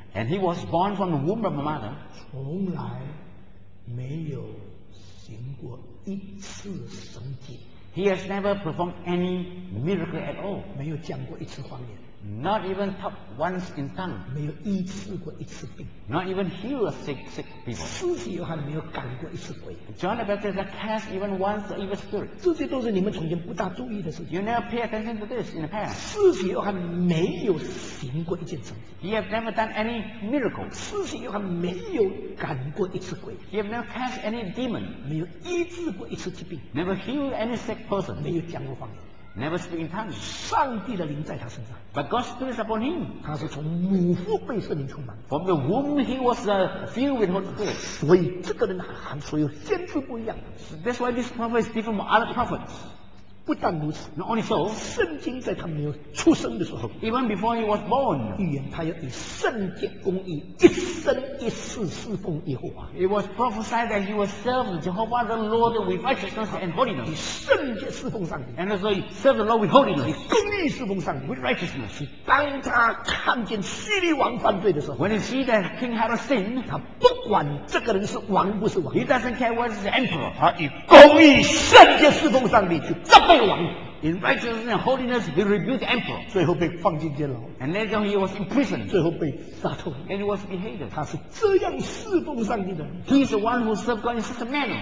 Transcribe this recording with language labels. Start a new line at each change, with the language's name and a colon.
English: And he was born from the womb of a mother.
Chinese: 从来没有行过一次神迹。
English: He has never performed any miracle at all.
Chinese: 没有讲过一次方言。
English: Not even talk once in tongue.
Chinese: 没有医治过一次病。
English: Not even heal a sick people.
Chinese: 施洗约翰没有赶过一次鬼。
English: John the Baptist has cast even once an evil spirit.
Chinese: 这些都是你们从前不大注意的事情。
English: You never pay attention to this in the past.
Chinese: 施洗约翰没有行过一件神迹。
English: He has never done any miracle.
Chinese: 施洗约翰没有赶过一次鬼。
English: He has never cast any demon.
Chinese: 没有医治过一次疾病。
English: Never healed any sick person.
Chinese: 没有讲过方言。
English: Never speak in tongues.
Chinese: 上帝的灵在他身上。
English: But God's spirit is upon him.
Chinese: 他是从母腹被圣灵充满。
English: From the womb he was filled with Holy Spirit.
Chinese: 所以这个人和所有先知不一样。
English: That's why this prophet is different from other prophets.
Chinese: 不但如此。
English: Not only so.
Chinese: 圣经在他没有出生的时候。
English: Even before he was born.
Chinese: 预言他要以圣洁公义一生一世侍奉耶和华。
English: It was prophesied that he would serve Jehovah the Lord with righteousness and holiness.
Chinese: 以圣洁侍奉上帝。
English: And so he served the Lord with holiness.
Chinese: 公义侍奉上帝。
English: With righteousness.
Chinese: 当他看见西律王犯罪的时候。
English: When he see that king had a sin.
Chinese: 他不管这个人是王不是王。
English: He doesn't care whether he's emperor.
Chinese: 他以公义圣洁侍奉上帝去责备王。
English: In righteousness and holiness, he rebuked the emperor.
Chinese: 最后被放进监牢。
English: And later he was imprisoned.
Chinese: 最后被杀头。
English: And he was beheaded.
Chinese: 他是这样侍奉上帝的。
English: He is the one who served God in such a manner.